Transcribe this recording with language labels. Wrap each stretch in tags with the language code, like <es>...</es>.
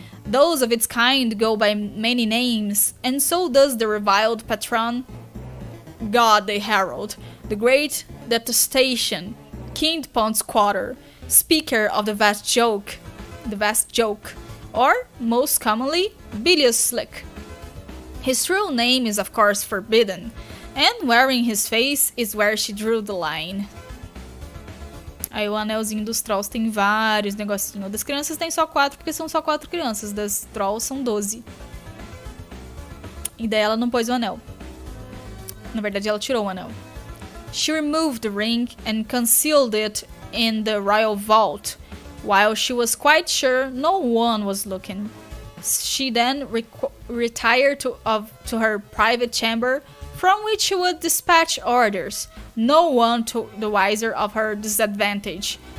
<en>Those of its kind go by many names, and so does the reviled patron, God the Herald, the great detestation, King Pond's Quarter, speaker of the vast joke, or, most commonly, Bilious Slick. His true name is, of course, forbidden, and wearing his face is where she drew the line.</en> <pt>Aí o anelzinho dos trolls tem vários negocinhos. Das crianças tem só 4, porque são só 4 crianças. Das trolls são 12. E daí ela não pôs o anel. Na verdade, ela tirou o anel.</pt> <en>She removed the ring and concealed it in the royal vault, while she was quite sure no one was looking. She then retired to her private chamber, from which she would dispatch orders, no one the wiser of her disadvantage.</en>